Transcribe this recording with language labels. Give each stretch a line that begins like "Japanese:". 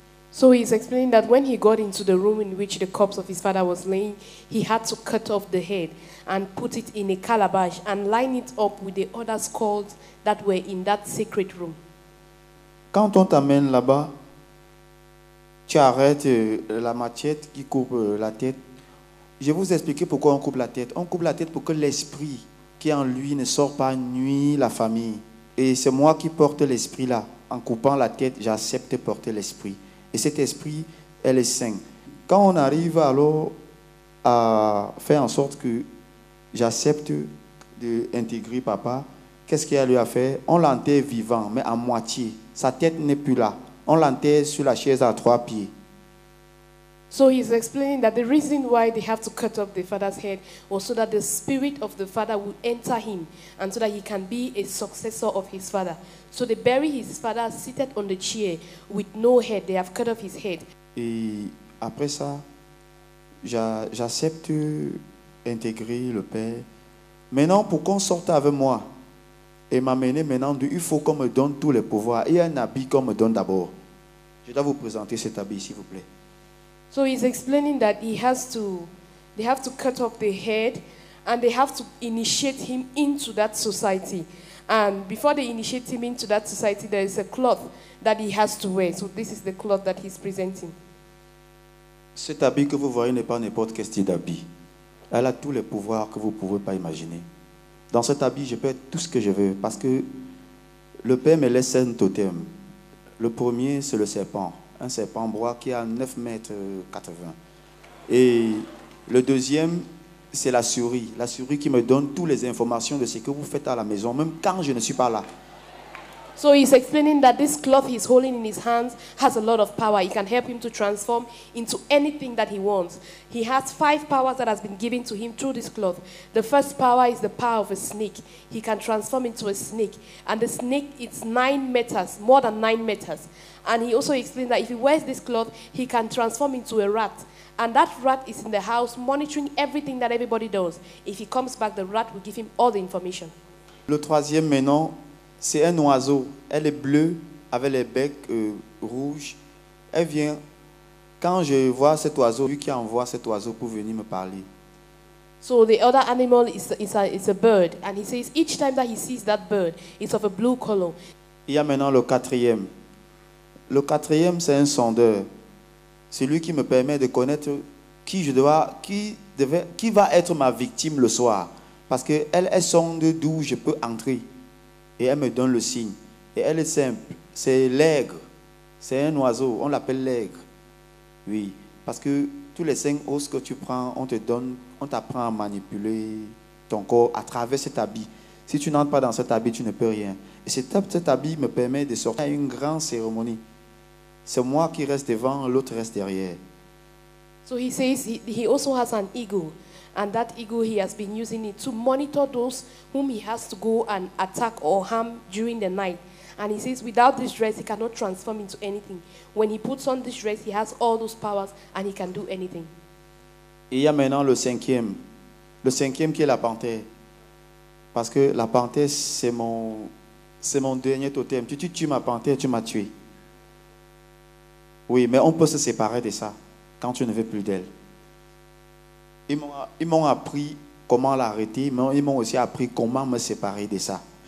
English: So he's explaining that when he got into the room in which the corpse of his father was laying, he had to cut off the head and put it in a calabash and line it up with the other skulls that were in that sacred room.
French: Quand on t'amène là-bas, tu arrêtes la machette qui coupe la tête. Je vais vous expliquer pourquoi on coupe la tête. On coupe la tête pour que l'esprit qui est en lui ne sort pas nuit la famille. Et c'est moi qui porte l'esprit là. En coupant la tête, j'accepte porter l'esprit. Et cet esprit, elle est saine. Quand on arrive alors à faire en sorte que j'accepte d'intégrer papa, qu'est-ce qu'il y a à lui à faire? On l'enterre vivant, mais à moitié. Sa tête n'est plus là. On l'enterre sur la chaise à trois pieds.
English: So he's explaining that the reason why they have to cut off the father's head was so that the spirit of the father would enter him and so that he can be a successor of his father. So they bury his father seated on the chair with no head. They have cut off his head.
French: Et après ça, j'accepte intégrer le père. Maintenant, pour qu'on sorte avec moi et m'amener maintenant, il faut qu'on me donne tous les pouvoirs. Il y a un habit qu'on me donne d'abord. Je dois vous présenter cet habit, s'il vous plaît.
English: So he's explaining that they have to cut off the head and they have to initiate him into that society. And before they initiate him into that society, there is a cloth that he has to wear. So this is the cloth that he's presenting.
French: Cet habit que vous voyez n'est pas n'importe quel style d'habit. Elle a tous les pouvoirs que vous ne pouvez pas imaginer. Dans cet habit, je peux être tout ce que je veux parce que le père me laisse un totem. Le premier, c'est le serpent. Un serpent bois qui a 9,80 m. Et le deuxième, c'est la souris. La souris qui me donne toutes les informations de ce que vous faites à la maison, même quand je ne suis pas là.
English: So he's explaining that this cloth he's holding in his hands has a lot of power. It can help him to transform into anything that he wants. He has five powers that has been given to him through this cloth. The first power is the power of a snake. He can transform into a snake. And the snake, it's 9 meters, more than 9 meters. And he also explained that if he wears this cloth, he can transform into a rat. And that rat is in the house monitoring everything that everybody does. If he comes back, the rat will give him all the information.
French: Le troisième maintenant, c'est un oiseau. Elle est bleue, avec les becs rouges. Elle vient, quand je vois cet oiseau, lui qui envoie cet oiseau pour venir me parler.
English: So the other animal is a bird. And he says each time that he sees that bird, it's of a blue color.
French: Il y a maintenant le quatrième. Le quatrième, c'est un sondeur. C'est lui qui me permet de connaître qui va être ma victime le soir. Parce qu'elle est sonde d'où je peux entrer. Et elle me donne le signe. Et elle est simple. C'est l'aigle. C'est un oiseau. On l'appelle l'aigle. Oui. Parce que tous les 5 os que tu prends, on te donne, on t'apprend à manipuler ton corps à travers cet habit. Si tu n'entres pas dans cet habit, tu ne peux rien. Et cet habit me permet de sortir à une grande cérémonie. C'est moi qui reste devant, l'autre reste derrière.
English: So he says he also has an eagle. And that eagle, he has been using it to monitor those whom he has to go and attack or harm during the night. And he says without this dress, he cannot transform into anything. When he puts on this dress, he has all those powers and he can do anything.
French: Il y a maintenant le cinquième. Le cinquième qui est la panthère. Parce que la panthère, c'est mon dernier totem. Tu tues ma panthère, tu m'as tué. Oui, mais on peut se séparer de ça quand tu ne veux plus d'elle. Ils m'ont appris comment l'arrêter, mais ils m'ont aussi appris comment me séparer de ça.